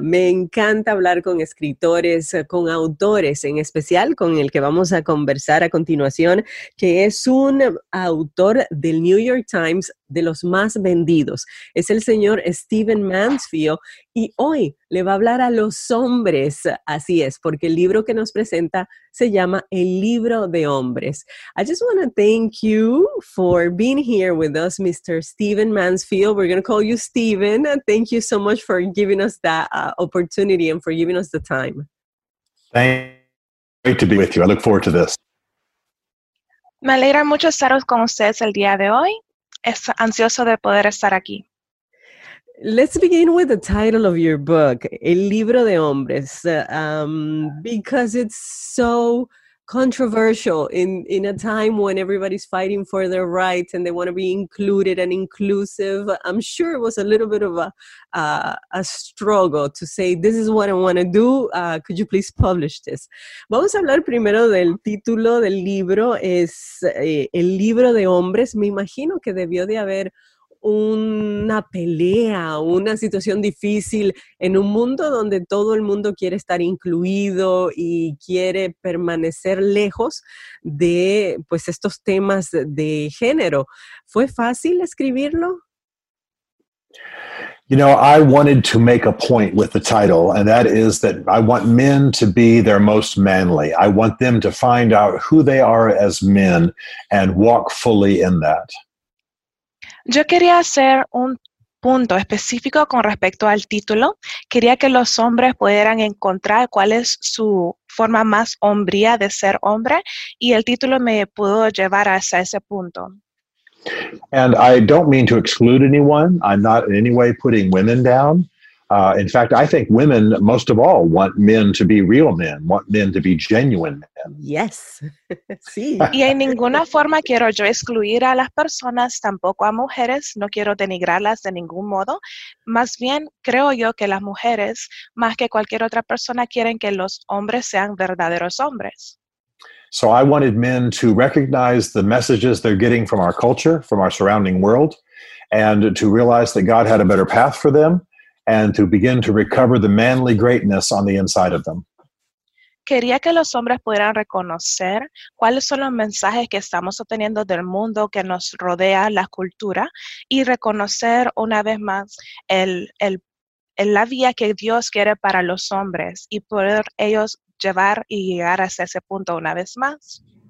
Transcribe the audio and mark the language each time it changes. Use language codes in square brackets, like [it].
[es] Me encanta hablar con escritores, con autores, en especial con el que vamos a conversar a continuación, que es un autor del New York Times de los más vendidos. Es el señor Steven Mansfield y hoy le va a hablar a los hombres. Así es, porque el libro que nos presenta se llama El Libro de Hombres. [en] I just want to thank you for being here with us, Mr. Steven Mansfield. We're going to call you Steven. Thank you so much for giving us that opportunity and for giving us the time. Thank you. Great to be with you. I look forward to this. [es] Me alegra mucho estar con ustedes el día de hoy. Es ansioso de poder estar aquí. [en] Let's begin with the title of your book, El Libro de Hombres, because it's so controversial in a time when everybody's fighting for their rights and they want to be included and inclusive. I'm sure it was a little bit of a struggle to say, this is what I want to do, could you please publish this? [es] Vamos a hablar primero del título del libro, es El Libro de Hombres. Me imagino que debió de haber una pelea, una situación difícil en un mundo donde todo el mundo quiere estar incluido y quiere permanecer lejos de, pues, estos temas de género. ¿Fue fácil escribirlo? [en] You know, I wanted to make a point with the title, and that is that I want men to be their most manly. I want them to find out who they are as men and walk fully in that. [es] Yo quería hacer un punto específico con respecto al título. Quería que los hombres pudieran encontrar cuál es su forma más hombría de ser hombre, y el título me pudo llevar hasta ese punto. [en] And I don't mean to exclude anyone. I'm not in any way putting women down. In fact, I think women, most of all, want men to be real men, want men to be genuine men. Yes. [es] Sí. Y en ninguna forma quiero yo excluir a las personas, tampoco a mujeres. No quiero denigrarlas de ningún modo. Más bien, creo yo que las mujeres, más que cualquier otra persona, quieren que los hombres sean verdaderos hombres. [en] So I wanted men to recognize the messages they're getting from our culture, from our surrounding world, and to realize that God had a better path for them, and to begin to recover the manly greatness on the inside of them. [es] Quería que los hombres pudieran reconocer cuáles son los mensajes que estamos obteniendo del mundo que nos rodea, la cultura, y reconocer una vez más la vía que Dios quiere para los hombres y poder ellos llevar y llegar hasta ese punto una vez más.